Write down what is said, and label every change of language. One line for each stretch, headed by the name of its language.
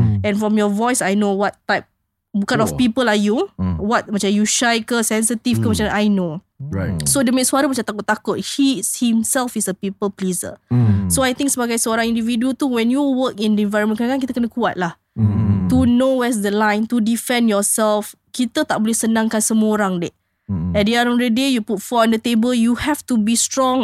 English: And from your voice, I know what type, what kind of people are you. What,
Malay: macam you shy ke, sensitive ke, macam
English: I know.
Malay: So dia punya suara macam takut-takut.
English: He himself is a people pleaser. So I think
Malay: sebagai seorang individu tu,
English: when you work in the environment,
Malay: kan kita kena kuat lah.
English: To know where's the line, to defend yourself.
Malay: Kita tak boleh senangkan semua orang dek.
English: At the end of the day, you put four on the table, you have to be strong.